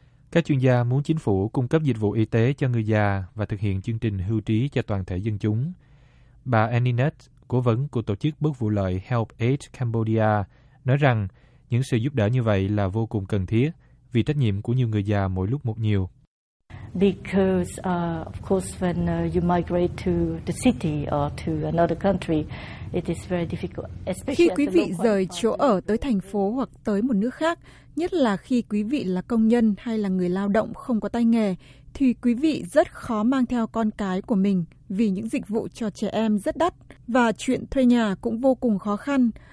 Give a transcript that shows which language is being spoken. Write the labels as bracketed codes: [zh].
[vi] Các chuyên gia muốn chính phủ cung cấp dịch vụ y tế cho người già và thực hiện chương trình hưu trí cho toàn thể dân chúng. Bà Aninet, cố vấn của tổ chức bất vụ lợi HelpAid Cambodia, nói rằng những sự giúp đỡ như vậy là vô cùng cần thiết vì trách nhiệm của nhiều người già mỗi lúc một nhiều. [en] Because of course when you migrate to the city or to another country, it is very difficult. [vi] Khi quý vị rời chỗ ở tới thành phố hoặc tới một nước khác, nhất là khi quý vị là công nhân hay là người lao động không có tay nghề, thì quý vị rất khó mang theo con cái của mình vì những dịch vụ cho trẻ em rất đắt và chuyện thuê nhà cũng vô cùng khó khăn.